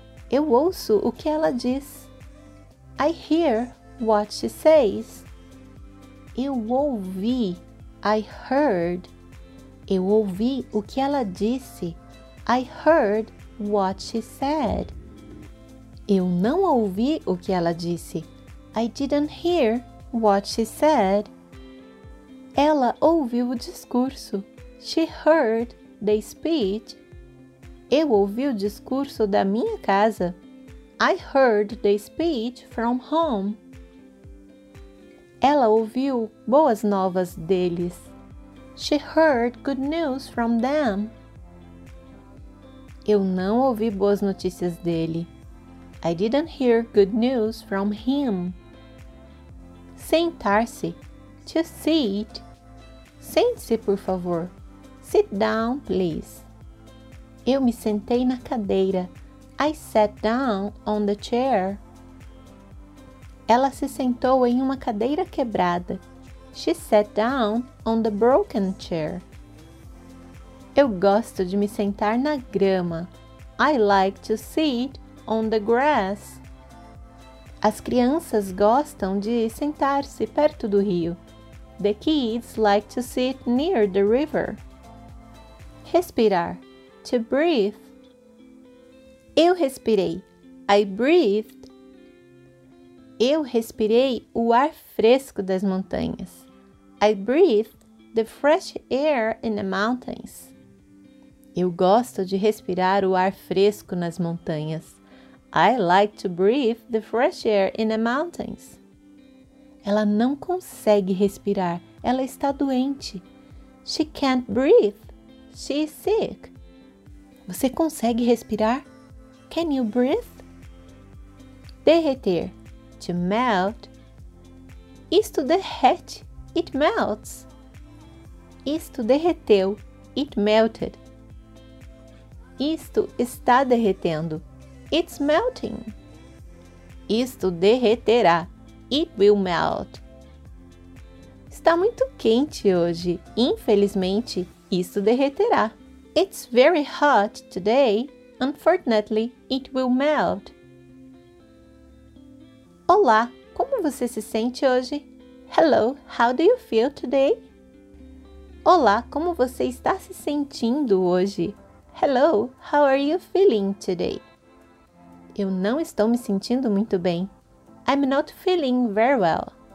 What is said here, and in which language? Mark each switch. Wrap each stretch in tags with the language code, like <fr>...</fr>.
<pt>Eu ouço o que ela diz.</pt> <en>I hear what she says.</en> <pt>Eu ouvi.</pt> <en>I heard.</en> <pt>Eu ouvi o que ela disse.</pt> <en>I heard what she said.</en> <pt>Eu não ouvi o que ela disse.</pt> <en>I didn't hear what she said.</en> <pt>Ela ouviu o discurso.</pt> <en>She heard the speech.</en> <pt>Eu ouvi o discurso da minha casa.</pt> <en>I heard the speech from home.</en> <pt>Ela ouviu boas novas deles.</pt> <en>She heard good news from them.</en> <pt>Eu não ouvi boas notícias dele.</pt> <en>I didn't hear good news from him.</en> <pt>Sentar-se.</pt> <en>To sit.</en> <pt>Sente-se, por favor.</pt> <en>Sit down, please.</en> <pt>Eu me sentei na cadeira.</pt> <en>I sat down on the chair.</en> <pt>Ela se sentou em uma cadeira quebrada.</pt> <en>She sat down on the broken chair.</en> <pt>Eu gosto de me sentar na grama.</pt> <en>I like to sit on the grass.</en> <pt>As crianças gostam de sentar-se perto do rio.</pt> <en>The kids like to sit near the river.</en> <pt>Respirar.</pt> <en>To breathe.</en> <pt>Eu respirei.</pt> <en>I breathed.</en> <pt>Eu respirei o ar fresco das montanhas.</pt> <en>I breathed the fresh air in the mountains.</en> <pt>Eu gosto de respirar o ar fresco nas montanhas.</pt> <en>I like to breathe the fresh air in the mountains.</en> <pt>Ela não consegue respirar. Ela está doente.</pt> <en>She can't breathe. She is sick.</en> <pt>Você consegue respirar?</pt> <en>Can you breathe?</en> <pt>Derreter.</pt> <en>To melt.</en> <pt>Isto derrete.</pt> <en>It melts.</en> <pt>Isto derreteu.</pt> <en>It melted.</en> <pt>Isto está derretendo.</pt> <en>It's melting.</en> <pt>Isto derreterá.</pt> <en>It will melt.</en> <pt>Está muito quente hoje. Infelizmente, isto derreterá.</pt> <en>It's very hot today. Unfortunately, it will melt.</en> <pt>Olá, como você se sente hoje?</pt> <en>Hello, how do you feel today?</en> <pt>Olá, como você está se sentindo hoje?</pt> <en>Hello, how are you feeling today?</en> <pt>Eu não estou me sentindo muito bem.</pt> <en>I'm not feeling very well.</en>